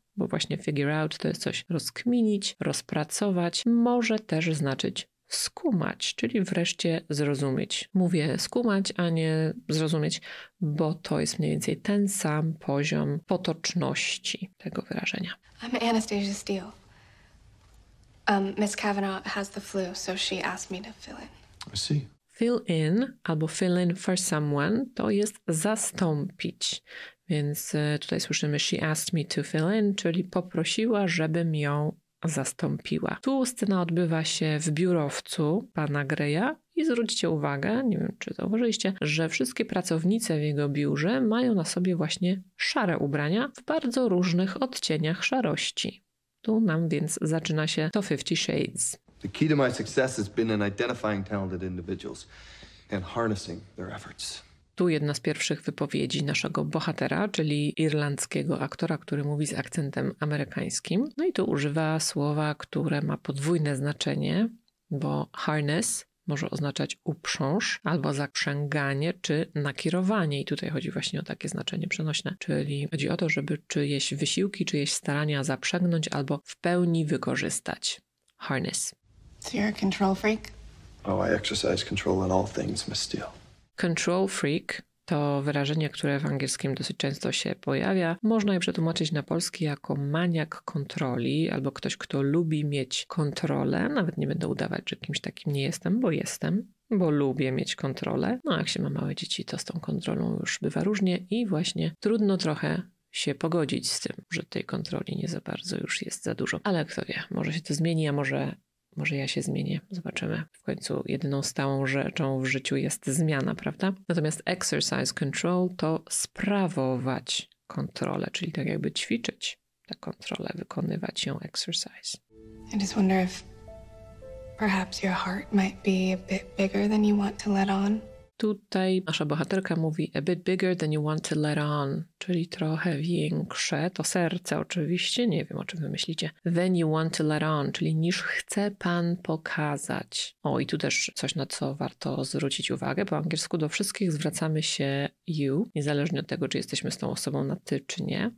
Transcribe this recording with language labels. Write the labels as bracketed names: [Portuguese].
[Polish] Bo właśnie figure out to jest coś rozkminić, rozpracować, może też znaczyć skumać, czyli wreszcie zrozumieć. Mówię skumać, a nie zrozumieć, bo to jest mniej więcej ten sam poziom potoczności tego wyrażenia. [English] I'm Anastasia Steele. Miss Kavanaugh has the flu, so she asked me to fill in. I see. [Polish] Fill in albo [English] fill in for someone [Polish] to jest zastąpić. Więc tutaj słyszymy [English] she asked me to fill in, [Polish] czyli poprosiła, żebym ją zastąpiła. Tu scena odbywa się w biurowcu pana Greya i zwróćcie uwagę, nie wiem czy zauważyliście, że wszystkie pracownice w jego biurze mają na sobie właśnie szare ubrania w bardzo różnych odcieniach szarości. Tu nam więc zaczyna się to 50 Shades. [English] The key to my success has been in identifying talented individuals and harnessing their efforts. [Polish] Tu jedna z pierwszych wypowiedzi naszego bohatera, czyli irlandzkiego aktora, który mówi z akcentem amerykańskim. No i tu używa słowa, które ma podwójne znaczenie, bo harness może oznaczać uprząż albo zaprzęganie czy nakierowanie. I tutaj chodzi właśnie o takie znaczenie przenośne, czyli chodzi o to, żeby czyjeś wysiłki, czyjeś starania zaprzęgnąć albo w pełni wykorzystać. [English] Harness. So you're a control freak? Oh, I exercise control in all things, Miss Steele. [Polish] Control freak to wyrażenie, które w angielskim dosyć często się pojawia. Można je przetłumaczyć na polski jako maniak kontroli albo ktoś, kto lubi mieć kontrolę. Nawet nie będę udawać, że kimś takim nie jestem, bo jestem, bo lubię mieć kontrolę. No a jak się ma małe dzieci, to z tą kontrolą już bywa różnie i właśnie trudno trochę się pogodzić z tym, że tej kontroli nie za bardzo już jest za dużo. Ale kto wie, może się to zmieni, a może... Może ja się zmienię, zobaczymy. W końcu jedyną stałą rzeczą w życiu jest zmiana, prawda? Natomiast exercise control to sprawować kontrolę, czyli tak jakby ćwiczyć tę kontrolę, wykonywać ją exercise. [English] I just wonder if perhaps your heart might be a bit bigger than you want to let on. [Polish] Tutaj nasza bohaterka mówi [English] a bit bigger than you want to let on, [Polish] czyli trochę większe, to serce oczywiście, nie wiem o czym wy myślicie, [English] than you want to let on, [Polish] czyli niż chce pan pokazać. O, i tu też coś, na co warto zwrócić uwagę, po angielsku do wszystkich zwracamy się you, niezależnie od tego, czy jesteśmy z tą osobą na ty, czy nie.